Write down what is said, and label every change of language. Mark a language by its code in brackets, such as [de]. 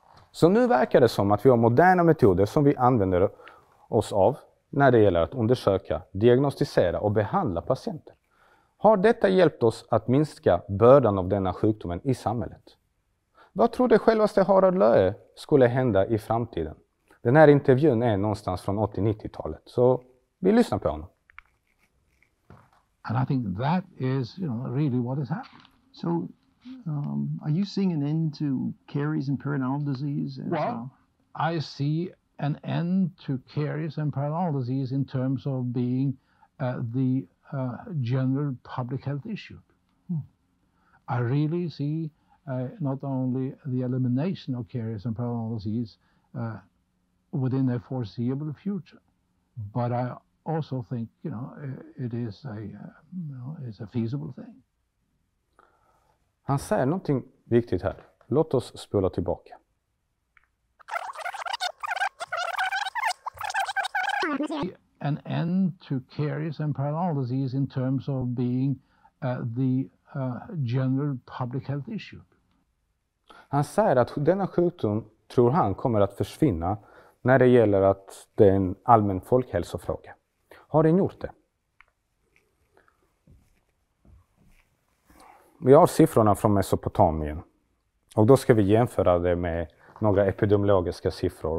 [sv] Så nu verkar det som att vi har moderna metoder som vi använder oss av när det gäller att undersöka, diagnostisera och behandla patienter. Har detta hjälpt oss att minska bördan av denna sjukdomen i samhället? Vad tror du självaste Harald Löhe skulle hända i framtiden? Den här intervjun är någonstans från 80-90-talet, så vi lyssnar på honom. [en] And I think that is, you know, really what has happened. So, are you seeing an end to caries and periodontal disease? I see an end to caries and periodontal disease in terms of being the general public health issue. I really see not only the elimination of caries and periodontal disease within a foreseeable future, but I also think, you know, it is a it's a feasible thing. [sv] Han säger någonting viktigt här. Låt oss spola tillbaka. [en] An end to caries and periodontal disease in terms of being the general public health issue. [sv] Han säger att denna sjukdom tror han kommer att försvinna när det gäller att det är en allmän folkhälsofråga. Har den gjort det? Vi har siffrorna från Mesopotamien. Och då ska vi jämföra det med några epidemiologiska siffror.